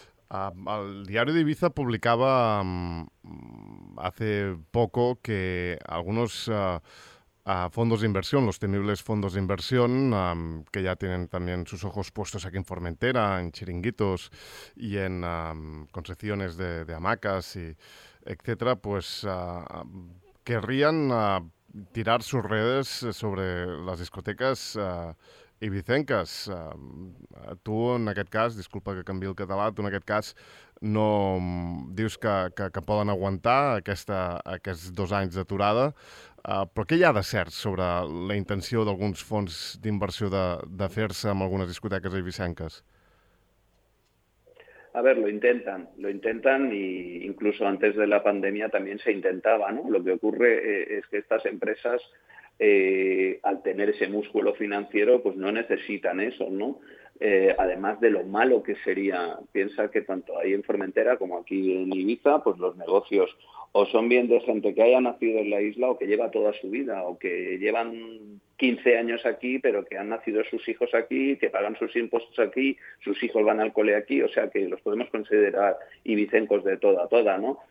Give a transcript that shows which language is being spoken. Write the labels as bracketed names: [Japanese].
[Spanish] El diario de Ibiza publicaba hace poco que algunos fondos de inversión, los temibles fondos de inversión, que ya tienen también sus ojos puestos aquí en Formentera, en chiringuitos y en concepciones de hamacas y etcétera, pues querrían tirar sus redes sobre las discotecas ibicenques. [Catalan] Tu, en aquest cas, disculpa que canviï el català, tu en aquest cas no dius que poden aguantar aquests 2 anys d'aturada, però què hi ha de cert sobre la intenció d'alguns fons d'inversió de fer-se amb algunes discoteques ibicenques? [Spanish] A ver, lo intentan e incluso antes de la pandemia también se intentaba, ¿no? Lo que ocurre es que estas empresas, al tener ese músculo financiero, pues no necesitan eso, ¿no? Además de lo malo que sería, piensa que tanto ahí en Formentera como aquí en Ibiza, pues los negocios o son bien de gente que haya nacido en la isla o que lleva toda su vida o que llevan 15 años aquí, pero que han nacido sus hijos aquí, que pagan sus impuestos aquí, sus hijos van al cole aquí, o sea que los podemos considerar ibicencos de toda, ¿no?